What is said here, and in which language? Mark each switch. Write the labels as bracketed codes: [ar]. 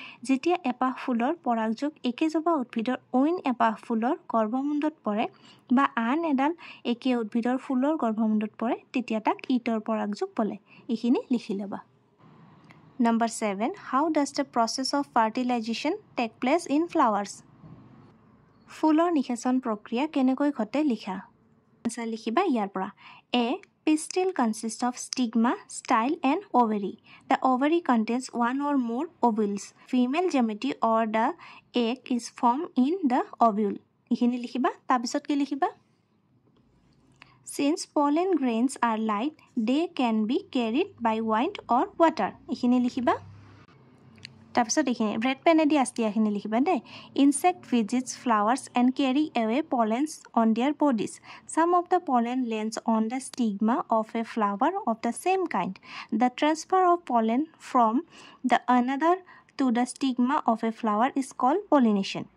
[as] যেতিয়া এপাহ ফুলৰ পৰাগযোগ একেজোপা উদ্ভিদৰ অইন এপাহ ফুলৰ গৰ্ভমুণ্ডত পৰে বা আন এডাল একে উদ্ভিদৰ ফুলৰ গৰ্ভমুণ্ডত পৰে তেতিয়া তাক ইটৰ পৰাগযোগ বোলে। এইখিনি লিখি ল'বা। [en] Number 7, how does the process of fertilisation take place in flowers. [as] ফুলৰ নিষেচন প্ৰক্ৰিয়া কেনেকৈ ঘটে লিখা। আনচাৰ লিখিবা ইয়াৰ পৰা, [en] A pistil consists of stigma, style and ovary. The ovary contains one or more ovules. Female gamete or the egg is formed in the ovule. [as] ইখিনি লিখিবা, তাৰপিছত কি লিখিবা? [en] Since pollen grains are light, they can be carried by wind or water. [as] ইখিনি লিখিবা, তাৰপিছত এইখিনি red পেনেদি আস্তিয়াখিনি লিখিবা দেই। [en] Insect visits flowers and carry away pollens on their bodies. Some of the pollen lands on the stigma of a flower of the same kind. The transfer of pollen from the another to the stigma of a flower is called pollination.